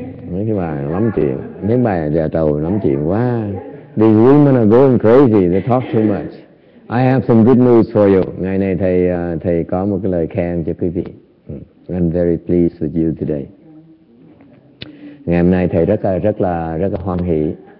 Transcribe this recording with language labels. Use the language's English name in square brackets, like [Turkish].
[Vietnamese] Mấy cái bà lắm chuyện, mấy bà già trầu lắm chuyện quá. [English] These women are going crazy, they talk too much. I have some good news for you. [Vietnamese] Ngày nay thầy có một cái lời khen cho quý vị. [English] I'm very pleased with you today. [Vietnamese] Ngày hôm nay thầy rất là hoan hỷ.